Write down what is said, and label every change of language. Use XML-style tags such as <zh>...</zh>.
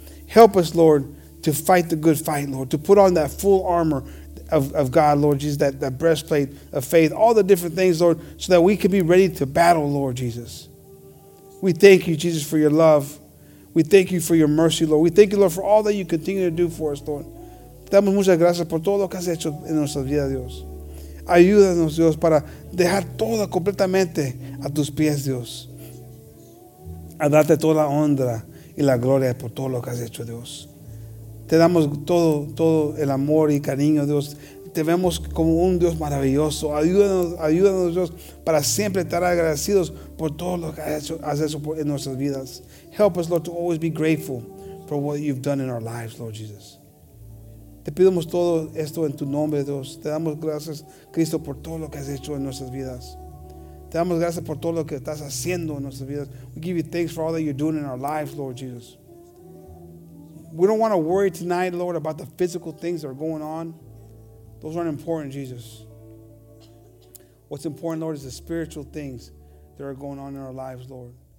<en>Help us, Lord, to fight the good fight, Lord, to put on that full armor of God, Lord Jesus, that breastplate of faith, all the different things, Lord, so that we can be ready to battle, Lord Jesus. We thank you, Jesus, for your love. We thank you for your mercy, Lord. We thank you, Lord, for all that you continue to do for us, Lord.</en> <es>Damos muchas gracias por todo lo que has hecho en nuestras vidas, Dios. Ayúdanos, Dios, para dejar todo completamente a tus pies, Dios. A darte toda la honra y la gloria por todo lo que has hecho, Dios. Te damos todo, todo el amor y cariño, Dios. Te vemos como un Dios maravilloso. Ayúdanos, ayúdanos, Dios, para siempre estar agradecidos por todo lo que has hecho en nuestras vidas.</es> <en>Help us, Lord, to always be grateful for what you've done in our lives, Lord Jesus.</en> <es>Te pedimos todo esto en tu nombre, Dios. Te damos gracias, Cristo, por todo lo que has hecho en nuestras vidas. Te damos gracias por todo lo que estás haciendo en nuestras vidas.</es> <en>We give you thanks for all that you're doing in our lives, Lord Jesus. We don't want to worry tonight, Lord, about the physical things that are going on. Those aren't important, Jesus. What's important, Lord, is the spiritual things that are going on in our lives, Lord.</en>